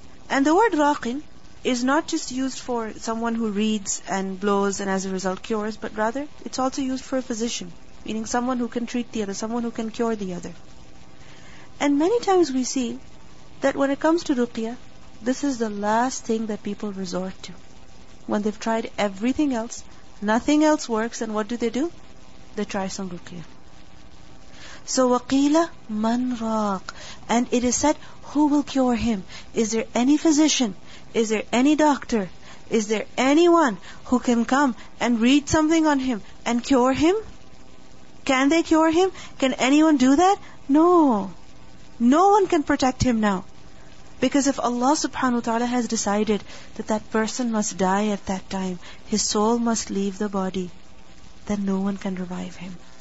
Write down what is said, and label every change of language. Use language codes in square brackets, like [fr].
[en] And the word raqin is not just used for someone who reads and blows and as a result cures, but rather it's also used for a physician, meaning someone who can treat the other, someone who can cure the other. And many times we see that when it comes to ruqya, this is the last thing that people resort to. When they've tried everything else, nothing else works, and what do? They try some ruqya. [ar] So وَقِيلَ مَنْ رَاق. [en] And it is said, who will cure him? Is there any physician? Is there any doctor? Is there anyone who can come and read something on him and cure him? Can they cure him? Can anyone do that? No. No one can protect him now. Because if Allah subhanahu wa ta'ala has decided that that person must die at that time, his soul must leave the body, then no one can revive him.